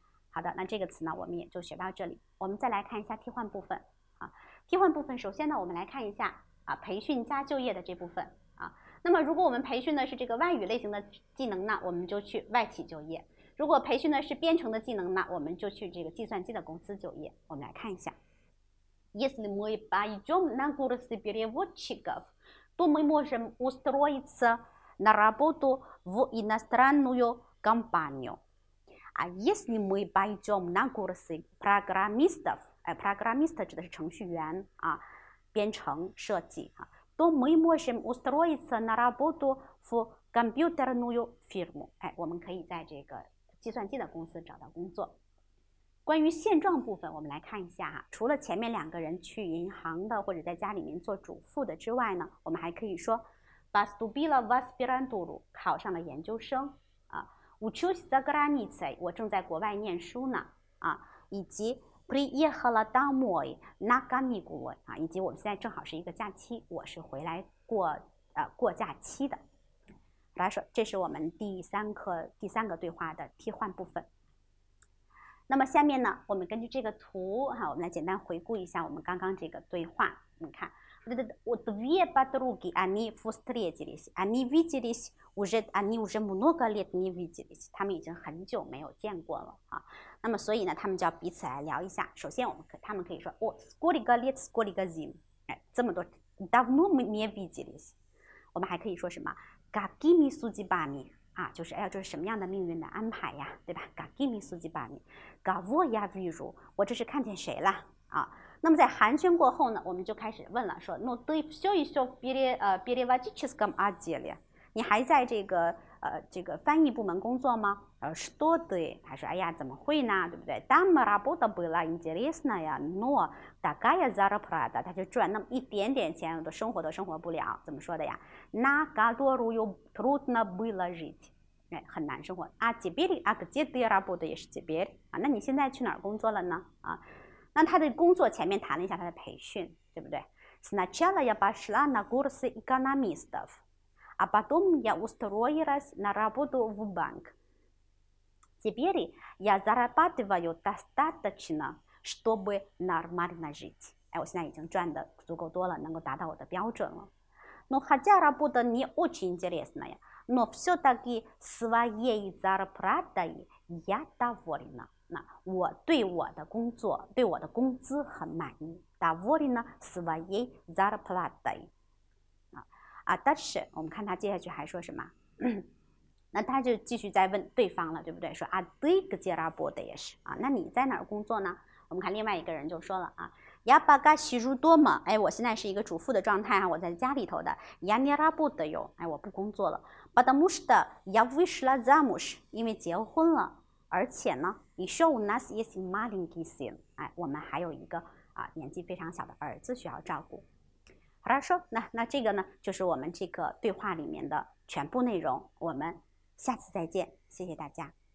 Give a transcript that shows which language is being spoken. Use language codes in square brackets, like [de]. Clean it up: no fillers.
[zh] 好的，那这个词呢，我们也就学到这里。我们再来看一下替换部分啊。替换部分，首先呢，我们来看一下啊，培训加就业的这部分啊。那么，如果我们培训的是这个外语类型的技能呢，我们就去外企就业；如果培训的是编程的技能呢，我们就去这个计算机的公司就业。我们来看一下。 [ru] Если мы пойдем на курсы переводчиков, то мы можем устроиться на работу в иностранную компанию. А если мы пойдем на курсы программистов, программист [zh] 指的是程序员啊，编程设计啊， [ru] то мы можем устроиться на работу в компьютерную фирму. [zh] 哎，我们可以在这个计算机的公司找到工作。关于现状部分，我们来看一下啊，除了前面两个人去银行的或者在家里面做主妇的之外呢，我们还可以说 [ru] поступила в аспирантуру, [zh] 考上了研究生啊。 [ru] учусь за границей, [zh] 我正在国外念书呢啊。以及 [ru] приехала домой на каникулы, [zh] 啊，以及我们现在正好是一个假期，我是回来过假期的。来说，这是我们第三个对话的替换部分。那么下面呢，我们根据这个图哈，我们来简单回顾一下我们刚刚这个对话。你看。 [ru] Две подруги, они встретились, они виделись уже, они уже много лет не виделись, [zh] 他们已经很久没有见过了啊。那么所以呢，他们就要彼此来聊一下。首先，他们可以说，我 [ru] сколько лет, сколько зим, [zh] 这么多 [ru] давно не виделись。 [zh] 我们还可以说什么 [ru] какими судьбами, [zh] 啊，就是哎呀，这是什么样的命运的安排呀，对吧 ？ [ru] какими судьбами, кого я вижу, [zh] 我这是看见谁了啊？那么在寒暄过后呢，我们就开始问了，说 [ru] ну ты все еще переводческом отделе？ [zh] 你还在这个翻译部门工作吗？ [ru] что ты？ [zh] 他说，哎呀，怎么会呢？对不对？ [ru] там работа была интересная, но такая зарплата， [zh] 他就赚那么一点点钱，都生活不了。怎么说的呀？ [ru] на которую трудно было жить。 [zh] 哎，很难生活。啊， [ru] теперь а где ты работаешь？ [zh] 也是 теперь 啊，那你现在去哪儿工作了呢？啊。那他的工作前面谈了一下他的培训，对不对 [ru] ？Сначала я пошла на курсы экономистов, а потом я устроилась на работу в банк. Теперь я зарабатываю достаточно, чтобы нормально жить. [zh] 哎，我现在已经赚的足够多了，能够达到我的标准了。 [ru] Но хотя работа не очень интересная, но все-таки своей зарплатой я довольна. [zh] 那我对我的工作，对我的工资很满意。 [ru] Довольна своей зарплатой。 [zh] 啊，但是我们看他接下去还说什么？那他就继续在问对方了，对不对？说啊， [ru] ты где работаешь？ [zh] 啊，那你在哪儿工作呢？我们看另外一个人就说了啊， [ru] я пока сижу дома。 [zh] 哎，我现在是一个主妇的状态啊，我在家里头的。 [ru] Я не работаю。 [zh] 哎，我不工作了。 [ru] Потому что я вышла замуж。 [zh] 因为结婚了，而且呢。 [ru] Еще у нас есть маленький сын. [zh] 哎，我们还有一个啊年纪非常小的儿子需要照顾。好了，说那这个呢，就是我们这个对话里面的全部内容。我们下次再见，谢谢大家。